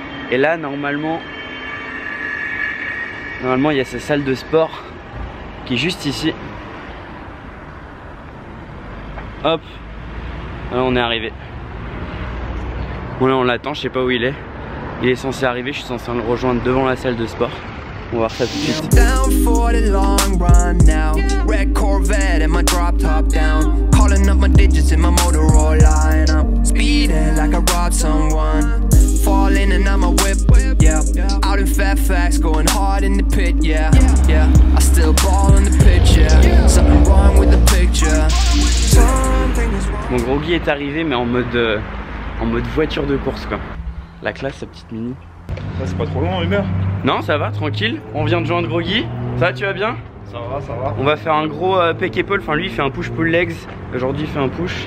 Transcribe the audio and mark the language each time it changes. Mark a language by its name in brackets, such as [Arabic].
[French] Et là normalement il y a sa salle de sport qui est juste ici. Hop, là on est arrivé. Bon là on l'attend, je sais pas où il est. Il est censé arriver, je suis censé le rejoindre devant la salle de sport. On va voir ça tout de suite. [English] Down for the long run now. Red Corvette and my drop top down. Calling up my digits in my Motorola. And I'm speeding like I robbed someone. Falling and I'm a whip, yeah. Out in Fairfax, going hard in the pit, yeah. Yeah, I still ball in the pitch, yeah. Something wrong with the picture. [French] Mon Groggy est arrivé, mais en mode voiture de course, quoi. La classe, sa petite mini. Ça c'est pas trop long, Humeur. Non, ça va, tranquille. On vient de joindre Groggy. Ça va, tu vas bien? Ça va, ça va. On va faire un gros pec épaule. Enfin, lui il fait un push pull legs. Aujourd'hui, il fait un push.